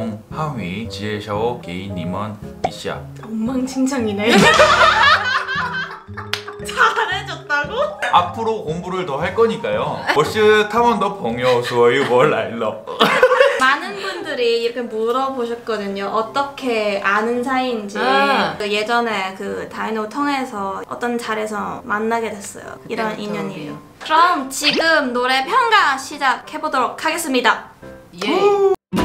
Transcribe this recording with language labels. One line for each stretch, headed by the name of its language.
Chinese: 大家好，我是大诺。我在韩国演员活动还是歌手活动。最近我的韩语能力提高了，所以今天我用韩语介绍给你们一下。
Korean: 엉망진창이네. 잘해줬다고? 앞으로 공부를 더 할 거니까요.
Chinese: 我是他们的朋友，所以我来了。
Korean: 많은 분들이 이렇게 물어보셨거든요. 어떻게 아는 사이인지. 아. 예전에 그 다이노 통해서 어떤 자리에서 만나게 됐어요. 이런 인연이에요. 그럼 지금 노래 평가 시작해보도록 하겠습니다. 예.